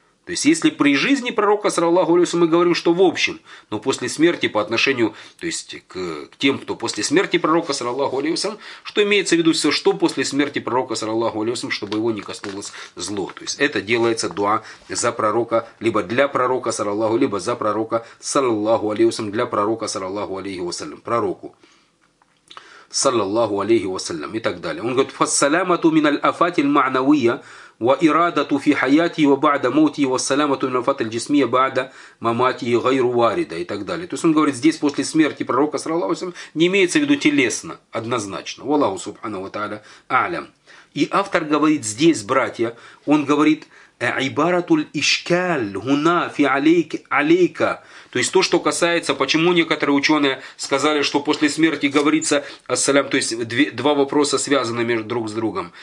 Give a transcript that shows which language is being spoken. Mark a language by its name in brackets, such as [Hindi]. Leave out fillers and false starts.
[Russian] То есть, если при жизни пророка, саллаллаху алейхи, мы говорим, что в общем, но после смерти по отношению, то есть, к тем, кто после смерти пророка, саллаллаху алейхи, что имеется в виду все, что после смерти пророка, саллаллаху алейхи, чтобы его не коснулось зло. То есть, это делается дуа за пророка, либо для пророка, саллаллаху, либо за пророка, саллаллаху алейхи, для пророка, саллаллаху алейхи вассалям, пророку. Саллаллаху алейхи вассалям, и так далее. Он говорит, [Arabic] «Фассаляму мин аль-афати аль-ма'навия». وإرادته في حياته وبعد موته والسلامة من الفات الجسمية بعد مماته غير واردة [Russian] и так далее. То есть он говорит, здесь после смерти пророка саллаллаху алейхи ва саллям не имеется в виду телесно, однозначно. [Arabic] Валлаху субхана ва тааля аалям. [Russian] И автор говорит здесь, братья, он говорит [Arabic] عبارةُ الإشكالُ هنا في عليك عليك. [Russian] То есть то, что касается, почему некоторые ученые сказали, что после смерти говорится ассалям, то есть два вопроса связаны между друг с другом.